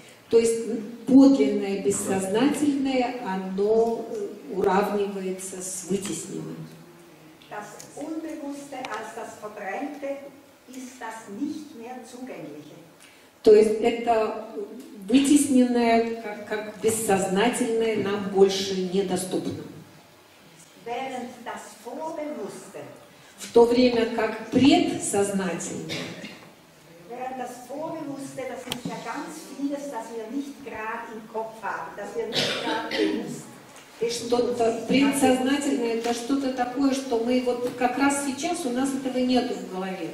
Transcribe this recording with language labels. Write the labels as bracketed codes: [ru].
[ru] То есть подлинное бессознательное, оно уравнивается с вытесненным. [de] Das Unbewusste als das Verdrängte ist das nicht mehr zugängliche. [ru] То есть это вытесненное, как бессознательное, нам больше недоступно. [de] Während das Vorbewusste, [ru] в то время как предсознательное, что-то предсознательное, это что-то такое, что мы вот как раз сейчас у нас этого нету в голове.